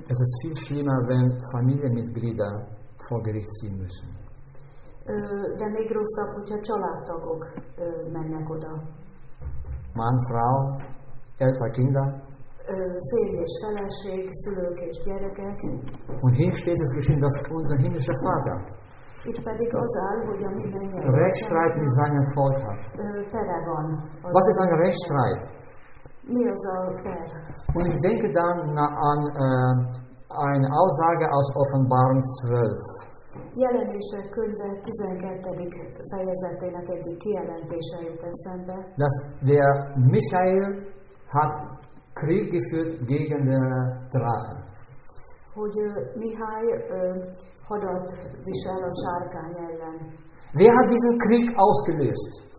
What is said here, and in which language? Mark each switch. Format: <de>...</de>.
<de>Es ist viel schlimmer, wenn Familienmitglieder vor Gericht ziehen müssen.</de> <hu>De még rosszabb, hogyha családtagok mennek oda.</hu> <de>Mann, Frau, Eltern, Kinder.</de> <hu>Férj és feleség, szülők és gyerekek.</hu> <de>Und hier steht es geschrieben, dass unser himmlischer Vater</de> <hu>itt pedig az áll, hogy a mindennyi</hu> <de>Rechtsstreit mit seinem Volk hat.</de> <hu>Fere van.</hu> <de>Was ist ein Rechtsstreit?</de> <hu>Mi az a per?</hu> <de>Und ich denke dann an eine Aussage aus Offenbarung 12.</de> <hu>Jelenések könyve 12. fejezetének egyik kijelentése jut eszembe.</hu> <de>Dass der Michael hat Krieg geführt gegen den Drachen.</de> <hu>Hogy Mihály hadat visel a sárkány ellen.</hu> <de>Wer hat diesen Krieg ausgelöst?</de>